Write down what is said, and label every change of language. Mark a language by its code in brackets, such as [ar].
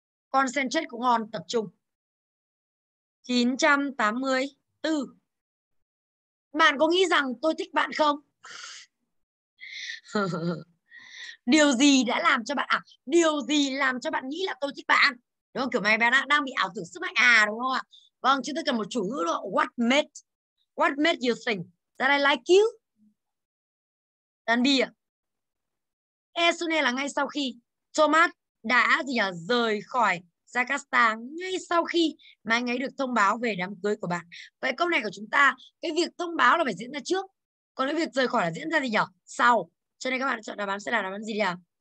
[vi] Concentrate cũng on, tập trung. 984. Bạn có nghĩ rằng tôi thích bạn không? Điều gì đã làm cho bạn điều gì làm cho bạn nghĩ là tôi thích bạn? Đúng không? Kiểu mày bé đang bị ảo tưởng sức mạnh à đúng không ạ? Vâng, chúng tôi cần một chủ ngữ đó. [en] What made you think that I like you? [vi] Then B ạ. E soon là ngay sau khi Thomas đã gì nhỉ? Rời khỏi Jakarta ngay sau khi mà anh ấy được thông báo về đám cưới của bạn. Vậy câu này của chúng ta, cái việc thông báo là phải diễn ra trước. Còn cái việc rời khỏi là diễn ra gì nhỉ? Sau. Cho nên các bạn chọn đáp án sẽ là đáp án gì đi ạ?